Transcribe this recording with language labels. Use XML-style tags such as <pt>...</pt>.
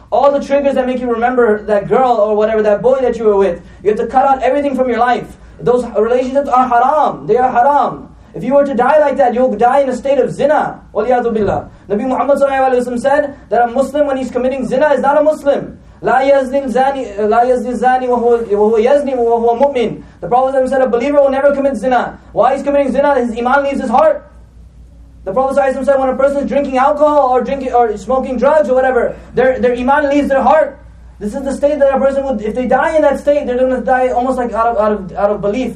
<en>All the triggers that make you remember that girl or whatever, that boy that you were with, you have to cut out everything from your life. Those relationships are haram. They are haram. If you were to die like that, you'll die in a state of zina. Waliyadu billah. Nabi Muhammad sallallahu alayhi wa sallam said that a Muslim, when he's committing zina, is not a Muslim.</en> <ar>لا يزني الزاني وهو يزني وهو مؤمن.</ar> <en>The Prophet said a believer will never commit zina. Why he's committing zina? His iman leaves his heart. The Prophet said when a person is drinking alcohol or drinking or smoking drugs or whatever, their iman leaves their heart. This is the state that a person would, if they die in that state, they're going to die almost like out of belief.</en>